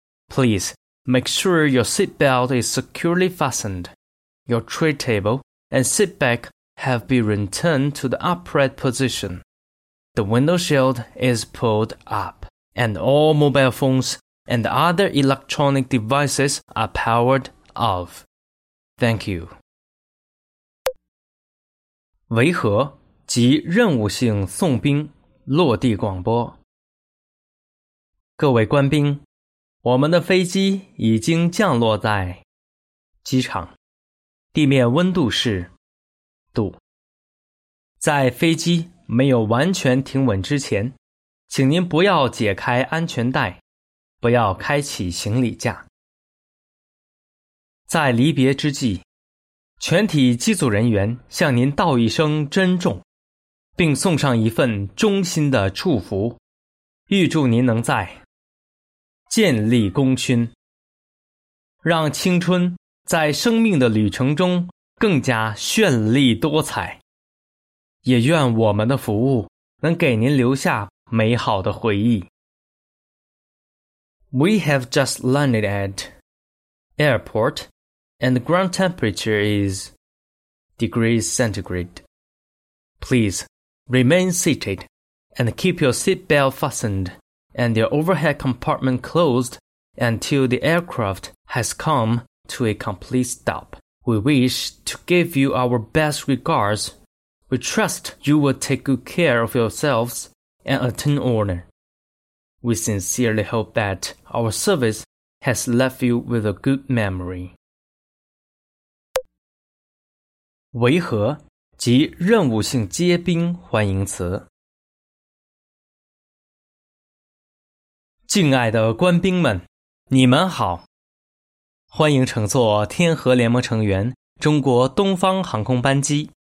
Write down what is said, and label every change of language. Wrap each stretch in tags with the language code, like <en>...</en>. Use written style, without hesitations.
<en>Please make sure your seatbelt is securely fastened, your tray table and seatback have been returned to the upright position. The window shield is pulled up, and all mobile phones and other electronic devices are powered off. Thank you.</en> <zh>维和及任务性送兵落地广播。各位官兵，我们的飞机已经降落在机场，地面温度是度。在飞机没有完全停稳之前，请您不要解开安全带，不要开启行李架。在离别之际，全体机组人员向您道一声珍重，并送上一份衷心的祝福，预祝您能在建立功勋，让青春在生命的旅程中更加绚丽多彩，也愿我们的服务能给您留下美好的回忆。</zh> <en>We have just landed at airport and the ground temperature is degrees centigrade. Please remain seated and keep your seatbelt fastened and your overhead compartment closed until the aircraft has come to a complete stop. We wish to give you our best regards. We trust you will take good care of yourselves and attain honor. We sincerely hope that our service has left you with a good memory.</en> <zh>维和及任务性接兵欢迎词。敬爱的官兵们，你们好。欢迎乘坐天合联盟成员中国东方航空班机。</zh>